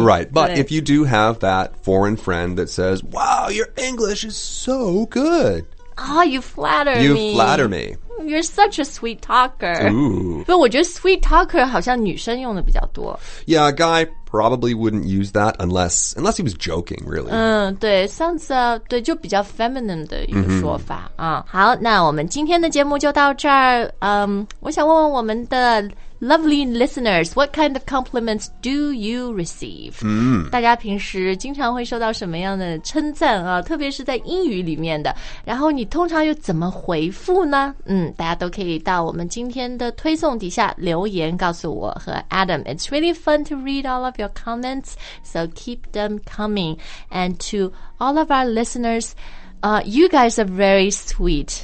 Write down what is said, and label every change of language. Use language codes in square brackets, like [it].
[en] Right but if you do have that foreign friend that says Wow your English is so good Oh you flatter you me You flatter me You're such a sweet talker. Ooh. [zh] 不过我觉得 sweet talker 好像女生用的比较多。 [en] Yeah, a guy probably wouldn't use that unless he was joking, really. [zh] 嗯，对 ，sounds 对，就比较 feminine 的一个说法、mm-hmm. 啊。好，那我们今天的节目就到这儿。我想问问我们的 [en] lovely listeners, what kind of compliments do you receive?、 Mm. [zh] 大家平时经常会收到什么样的称赞啊？特别是在英语里面的，然后你通常又怎么回复呢？嗯，大家都可以到我们今天的推送底下留言告诉我和 Adam. [en] It's really fun to read all of your comments, so keep them coming. And to all of our listeners, you guys are very sweet.、